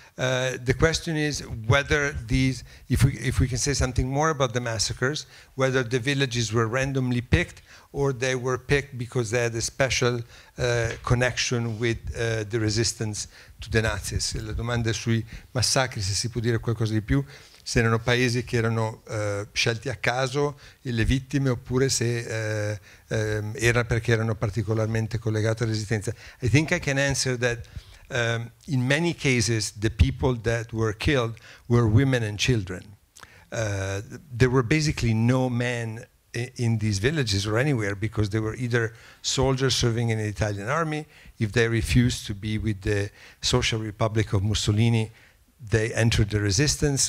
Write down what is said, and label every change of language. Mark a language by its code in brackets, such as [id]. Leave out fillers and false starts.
[en] The question is whether these, if we can say something more about the massacres, whether the villages were randomly picked or they were picked because they had a special connection with the resistance to the Nazis. [it] La domanda sui massacri, se si può dire qualcosa di più, se erano paesi che erano scelti a caso le vittime, oppure se era perché erano particolarmente collegati alla resistenza. [en] I think I can answer that. In many cases, the people that were killed were women and children. There were basically no men in these villages or anywhere, because they were either soldiers serving in the Italian army. If they refused to be with the Social Republic of Mussolini, they entered the resistance.